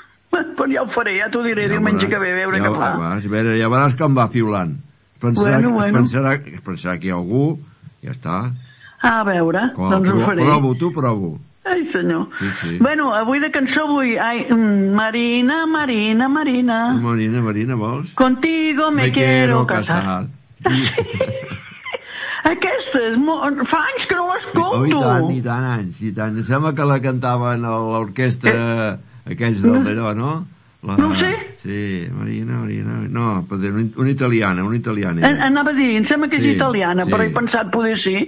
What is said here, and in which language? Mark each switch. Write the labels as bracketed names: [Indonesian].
[Catalan] Però ja ho faré, ja t'ho diré, ja diumenge que ve, a veure ja, què fa. Vas, a veure, ja veuràs com va fiulant. Es pensarà que hi ha algú, ja està. A veure, com, doncs ho faré. Provo, tu provo. Ai, senyor. Sí, sí. Bueno, avui de cançó vull... Ai, Marina, Marina, Marina. Marina, Marina, vols? [Spanish] Contigo me quiero casar. [Catalan] Sí. Aquesta, fa anys que no l'escolto. Oh, i tant anys, i tant. Em sembla que la cantaven a l'orquestra aquells del Belló, no? La, no sé. Sí, Marina, Marina. No, potser una italiana, una italiana. Anava a dir, em sembla que sí, és italiana, sí. Però he pensat poder sí.